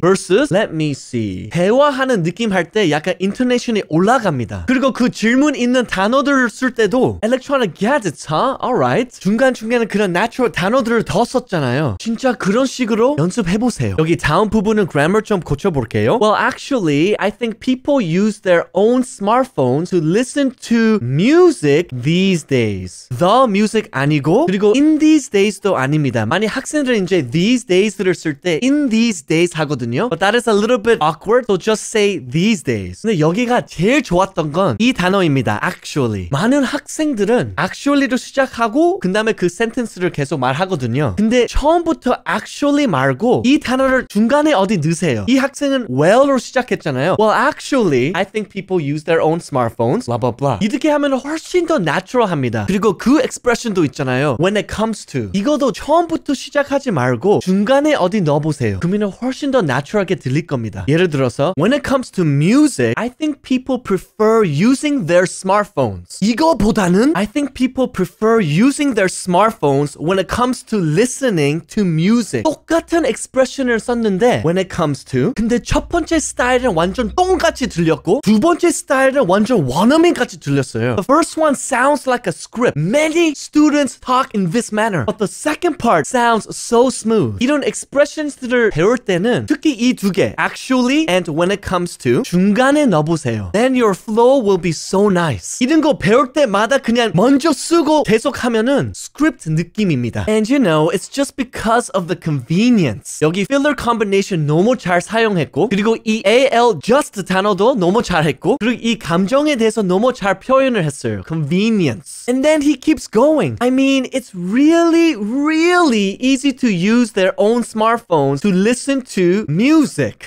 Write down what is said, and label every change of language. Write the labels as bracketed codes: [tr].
[en] Versus let me see. [ko] 대화하는 느낌 할 때 약간 intonation이 올라갑니다. 그리고 그 질문 있는 단어들을 쓸 때도 [en] electronic gadgets, huh? Alright. [ko] 중간중간에 그런 natural 단어들을 더 썼잖아요. 진짜 그런 식으로 연습해보세요. 여기 다음 부분은 grammar 좀 고쳐볼게요. [en] Well, actually, I think people use their own smartphones to listen to music these days. [ko] The music 아니고, 그리고 in these days도 아닙니다. 많이 학생들은 이제 these days를 쓸 때 in these days 하거든요. [en] But that is a little bit awkward, so just say these days. [ko] 근데 여기가 제일 좋았던 건 이 단어입니다. Actually. 많은 학생들은 actually로 시작하고 그 다음에 그 sentence를 계속 말하거든요. 근데 처음부터 actually 말고 이 단어를 중간에 어디 넣으세요. 이 학생은 well로 시작했잖아요. [en] Well, actually, I think people use their own smartphones, blah, blah, blah. [ko] 이렇게 하면 훨씬 더 natural합니다. 그리고 그 expression도 있잖아요. [en] When it comes to. [ko] 이것도 처음부터 시작하지 말고 중간에 어디 넣어보세요. 그러면 훨씬 더 natural하게 들릴 겁니다. 예를 들어서 [en] When it comes to music, I think people prefer using their smartphones. [ko] 이거보다는 [en] I think people prefer using their smartphones when it comes to listening to music. [ko] 똑같은 expression을 썼는데 When it comes to 근데 첫 번째 스타일은 완전 똥같이 들렸고 두 번째 스타일은 완전 원어민같이 들렸어요. [en] The first one sounds like a script. Many students talk in this manner. But the second part sounds so smooth. [ko] 이런 expressions들을 배울 때는 특히 이 두 개 actually and when it comes to 중간에 넣어보세요. [en] Then your flow will be so nice. [ko] 이런 거 배울 때마다 그냥 먼저 쓰고 계속 하면은 script 느낌입니다. [en] And you know, it's just because of the convenience. [ko] 여기 filler combination 너무 잘 사용했고 그리고 이 AL just 단어도 너무 잘했고 그리고 이 감정에 대해서 너무 잘 표현을 했어요. Convenience. [en] And then he keeps going. I mean, it's really, really easy to use their own smartphones to listen to music.